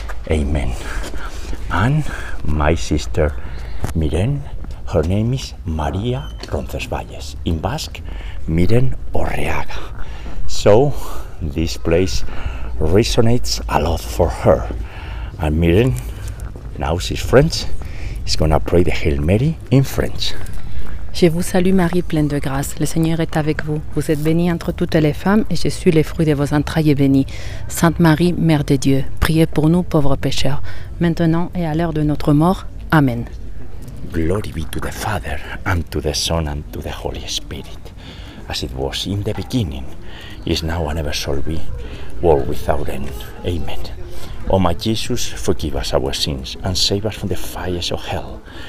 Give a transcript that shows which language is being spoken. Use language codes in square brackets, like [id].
[en] Amen. And my sister, Miren, her name is Maria Roncesvalles. In Basque, Miren Orreaga. So this place resonates a lot for her. And Miren, now she's French, is gonna pray the Hail Mary in French. [fr] Je vous salue Marie, pleine de grâce. Le Seigneur est avec vous. Vous êtes bénie entre toutes les femmes et Jésus, le fruit de vos entrailles, est béni. Sainte Marie, Mère de Dieu, priez pour nous pauvres pécheurs, maintenant et à l'heure de notre mort. Amen. [en] Glory be to the Father, and to the Son, and to the Holy Spirit, as it was in the beginning, is now and ever shall be, world without end. Amen. O my Jesus, forgive us our sins, and save us from the fires of hell.